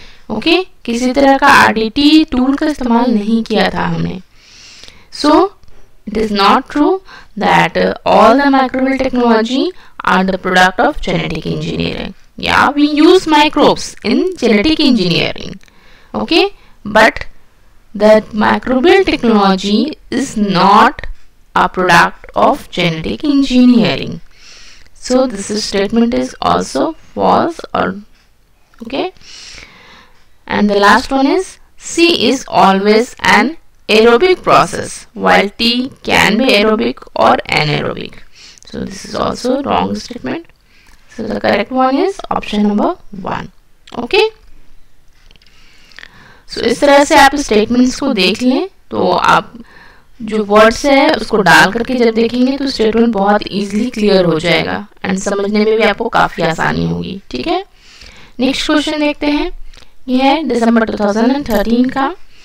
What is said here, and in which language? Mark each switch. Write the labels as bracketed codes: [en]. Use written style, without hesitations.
[hi] Okay, किसी तरह का आरडीटी टूल का इस्तेमाल नहीं किया था हमने। [en] So it is not true that all the microbial technology are the product of genetic engineering, या we use microbes in genetic engineering. okay, but that microbial technology is not a product of genetic engineering. So this statement is also false, or okay. And the last one is C is always an aerobic process, while T can be aerobic or anaerobic. So this is also wrong statement. So the correct one is option number one. Okay. [hi] So इस तरह से आप statements को देख लें, तो आप जो words है उसको डाल करके जब देखेंगे तो statement बहुत easily clear हो जाएगा and समझने में भी आपको काफी आसानी होगी, ठीक है? Next question देखते हैं. यह है December 2013 का.